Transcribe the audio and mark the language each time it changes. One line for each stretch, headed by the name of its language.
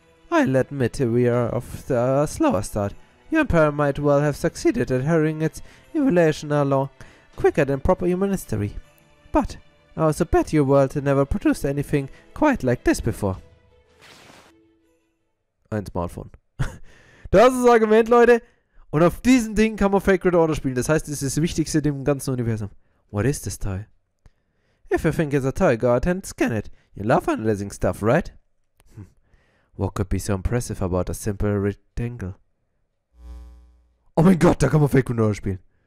English: I'll admit we are off to a slower start. Your empire might well have succeeded at hurrying its evolution along quicker than proper human history. But I also bet your world never produced anything quite like this before.
German: Ein Smartphone. Das ist das Argument, Leute. Und auf diesen Ding kann man Fake Red Order spielen. Das heißt, es ist das Wichtigste im ganzen Universum.
English: What is this toy? If you think it's a toy, go ahead and scan it. You love analyzing stuff, right? What could be so impressive about a simple rectangle?
German: Oh mein Gott, da kann man Fake Controller spielen.